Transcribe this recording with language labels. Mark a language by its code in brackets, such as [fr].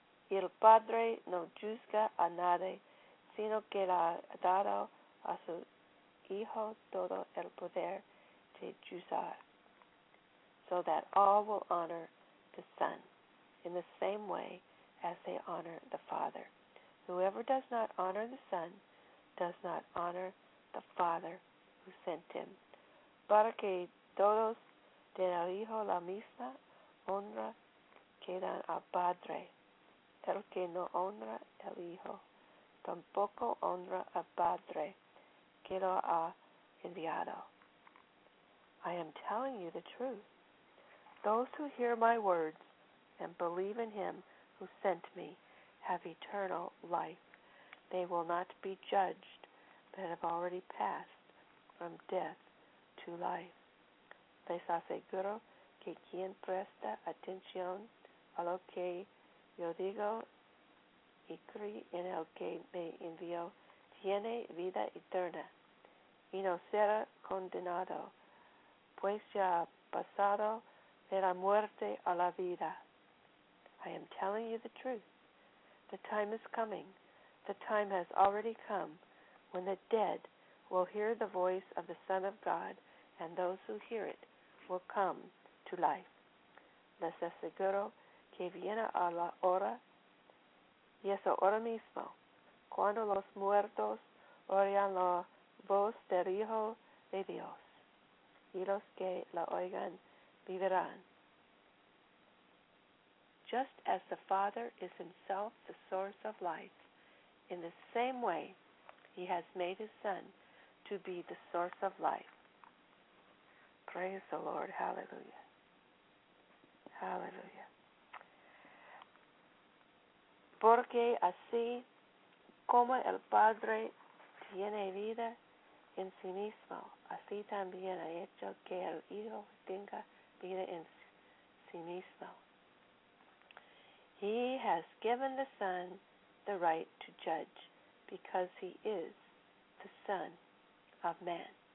[es] El Padre no juzga a nadie, sino que le ha dado a su Hijo todo el poder de juzgar, [en] so that all will honor the Son in the same way as they honor the Father. Whoever does not honor the Son does not honor the Father who sent him. [es] Para que todos den al Hijo la misma honra que dan al Padre. El que no honra al Hijo, tampoco honra al Padre que lo ha enviado. [en] I am telling you the truth. Those who hear my words and believe in him who sent me have eternal life. They will not be judged, but have already passed from death to life. [es] Les aseguro que quien presta atención a lo que yo digo y cree en el que me envió tiene vida eterna y no será condenado, pues ya ha pasado de la muerte a la vida. [en] I am telling you the truth. The time is coming. The time has already come when the dead will hear the voice of the Son of God, and those who hear it will come to life. [es] Les aseguro que viene a la hora, y es ahora mismo, cuando los muertos oirán la voz del Hijo de Dios, y los que la oigan vivirán. [en] Just as the Father is himself the source of life, in the same way he has made his Son to be the source of life. Praise the Lord. Hallelujah. Hallelujah. [es] Porque así como el Padre tiene vida en sí mismo, así también ha hecho que el Hijo tenga vida en sí mismo. [en] He has given the Son the right to judge, because he is the Son of Man.